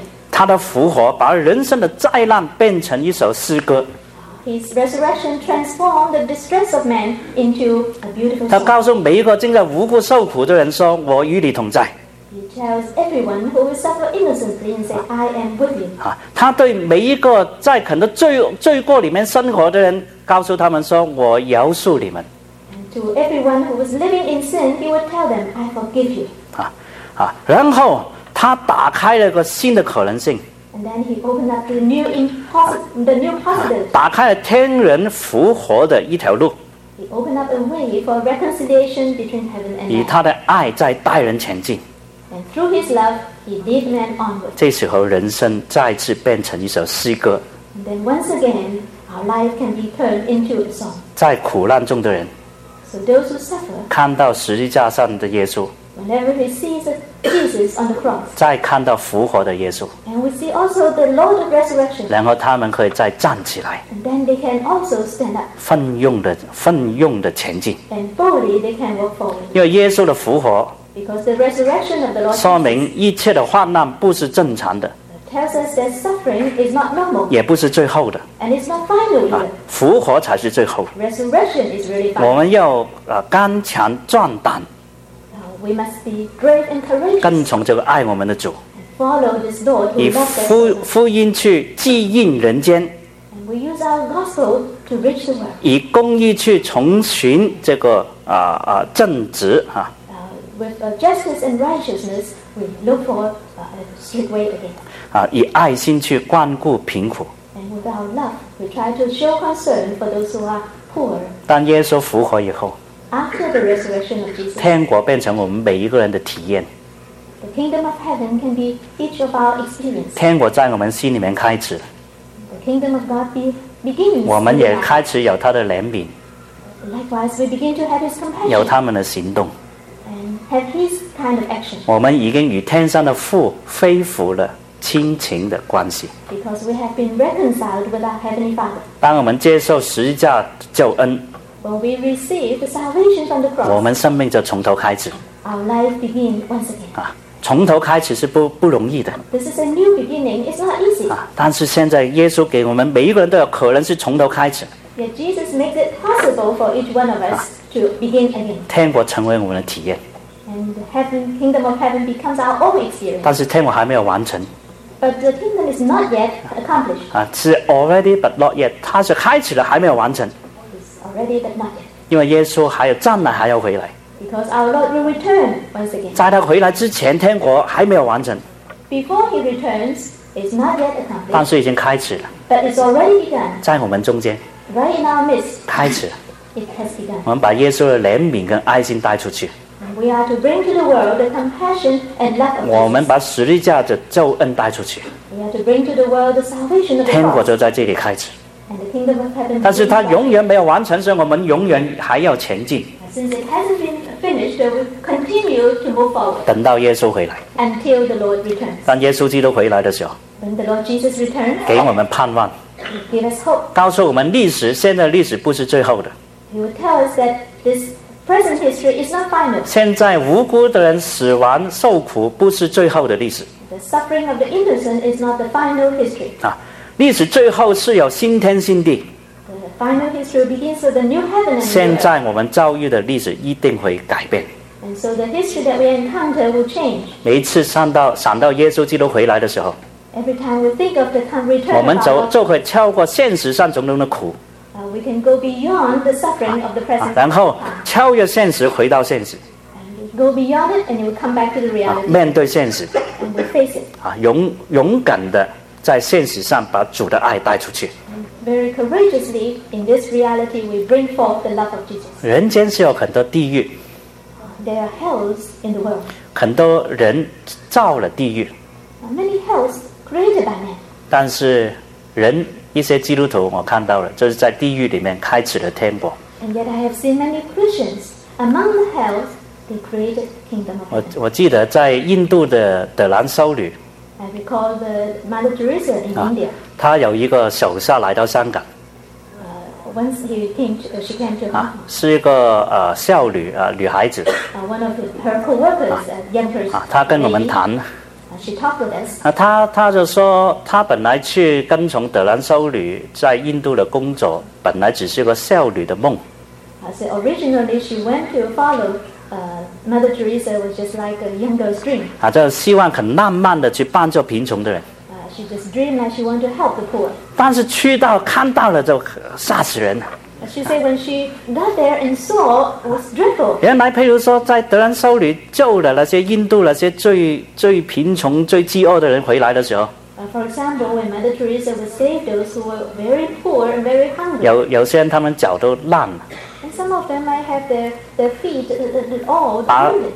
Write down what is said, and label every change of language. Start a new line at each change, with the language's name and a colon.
Chinese: 他的复活把人生的灾难变成一首诗歌。
English: His resurrection transformed the distress of man into a beautiful song.
Chinese: 他告诉每一个正在无辜受苦的人说：“我与你同在。”
English: He tells everyone who will suffer innocently and say, "I am with you."
Chinese: 他对每一个在可能罪过里面生活的人，告诉他们说：“我饶恕你们。”
English: And to everyone who was living in sin, he would tell them, "I forgive you."
Chinese: 然后他打开了个新的可能性。
English: And then he opened up the new possibility.
Chinese: 打开了天人复活的一条路。
English: He opened up a way for reconciliation between heaven and earth.
Chinese: 以他的爱在带人前进。
English: And through his love, he lead men onward.
Chinese: 这时候人生再次变成一首诗歌。
English: And then once again, our life can be turned into a song.
Chinese: 在苦难中的人。
English: So those who suffer.
Chinese: 看到十字架上的耶稣。
English: Whenever he sees Jesus on the cross,
Chinese: 再看到复活的耶稣，
English: and we see also the Lord of Resurrection,
Chinese: 然后他们可以再站起来，
English: and then they can also stand up,
Chinese: 奋勇的前进，
English: and boldly they can walk forward.
Chinese: 因为耶稣的复活，
English: because the resurrection of the Lord,
Chinese: 说明一切的患难不是正常的，
English: tells us that suffering is not normal,
Chinese: 也不是最后的，
English: and it's not final either.
Chinese: 复活才是最后，
English: resurrection is really final.
Chinese: 我们要刚强壮胆。
English: We must be brave and courageous.
Chinese: 跟从这个爱我们的主，
English: follow this Lord,
Chinese: 以福音去祭应人间，
English: and we use our gospel to reach the world.
Chinese: 以公义去重寻这个正直
English: with justice and righteousness, we look for a straight way again.
Chinese: 以爱心去关顾贫苦。
English: And with our love, we try to show concern for those who are poor.
Chinese: 当耶稣复活以后，
English: After the resurrection of Jesus,
Chinese: 天国变成我们每一个人的体验。
English: The kingdom of heaven can be each of our experience.
Chinese: 天国在我们心里面开始。
English: The kingdom of God begins.
Chinese: 我们也开始有他的怜悯。
English: Likewise, we begin to have His compassion.
Chinese: 有他们的行动。
English: And have His kind of action.
Chinese: 我们已经与天上的父恢复了亲情的关系。
English: Because we have been reconciled with our heavenly Father.
Chinese: 当我们接受十字架救恩。
English: When we receive the salvation from the cross.
Chinese: 我们生命就从头开始。
English: Our life begins once again.
Chinese: 从头开始是 不容易的。
English: This is a new beginning. It's not easy.
Chinese: 但是现在耶稣给我们每一个人都有可能是从头开始。
English: Yet Jesus makes it possible for each one of us to begin again.
Chinese: 天国成为我们的体验。
English: And heaven, kingdom of heaven becomes our own experience.
Chinese: 但是天国还没有完成。
English: But the kingdom is not yet accomplished.
Chinese: 是
English: already but not yet.
Chinese: 它是开始了还没有完成。
English: It's already but not yet.
Chinese: 因为耶稣还有将来还要回来。
English: Because our Lord will return once again.
Chinese: 在他回来之前，天国还没有完成。
English: Before he returns, it's not yet accomplished.
Chinese: 但是已经开始了。
English: But it's already begun.
Chinese: 在我们中间。
English: Right in our midst.
Chinese: 开始。
English: It has begun.
Chinese: 我们把耶稣的怜悯跟爱心带出去。
English: We are to bring to the world the compassion and love of Jesus.
Chinese: 我们把十字架的救恩带出去。
English: We are to bring to the world the salvation of the cross.
Chinese: 天国就在这里开始。
English: And the kingdom of heaven.
Chinese: 但是它永远没有完成，所以我们永远还要前进。
English: Since it hasn't been finished, we continue to move forward.
Chinese: 等到耶稣回来。
English: Until the Lord returns.
Chinese: 当耶稣基督回来的时候。
English: When the Lord Jesus returns.
Chinese: 给我们盼望。
English: Give us hope.
Chinese: 告诉我们历史，现在历史不是最后的。
English: He will tell us that this present history is not final.
Chinese: 现在无辜的人死亡受苦不是最后的历史。
English: The suffering of the innocent is not the final history.
Chinese: 历史最后是有新天新地。
English: Final history begins with the new heaven and new earth.
Chinese: 现在我们遭遇的历史一定会改变。
English: And so the history that we encounter will change.
Chinese: 每一次想到耶稣基督回来的时候，
English: Every time we think of the time return,
Chinese: 我们就会跳过现实上种种的苦。
English: We can go beyond the suffering of the present.
Chinese: 然后超越现实回到现实。
English: And go beyond it and you will come back to the reality.
Chinese: 面对现实。
English: And we'll face it.
Chinese: 勇敢的在现实上把主的爱带出去。
English: Very courageously, in this reality, we bring forth the love of Jesus.
Chinese: 人间是有很多地狱。
English: There are hells in the world.
Chinese: 很多人造了地狱。
English: Many hells created by man.
Chinese: 但是人，一些基督徒我看到了，就是在地狱里面开始了天国。
English: And yet I have seen many Christians among the hells, they created the kingdom of heaven.
Chinese: 我记得在印度的德兰修女。
English: I recall the Mother Teresa in India.
Chinese: 她有一个手下来到香港。
English: Once she came to Hong Kong.
Chinese: 是一个孝女女孩子。
English: One of her co-workers, young person.
Chinese: 她跟我们谈。
English: She talked with us.
Chinese: 她就说，她本来去跟从德兰修女在印度的工作，本来只是个孝女的梦。
English: Originally she went to follow. Mother Teresa was just like a young girl's dream.
Chinese: 就希望很浪漫的去帮助贫穷的人。
English: She just dreamed that she wanted to help the poor.
Chinese: 但是去到看到了就吓死人了。
English: She said when she got there and saw, it was dreadful.
Chinese: 原来譬如说在德兰修女救了那些印度那些最贫穷最饥饿的人回来的时候。
English: For example, when Mother Teresa was saved, those who were very poor and very hungry.
Chinese: 有些人他们脚都烂了。
English: Some of them might have their feet all wounded.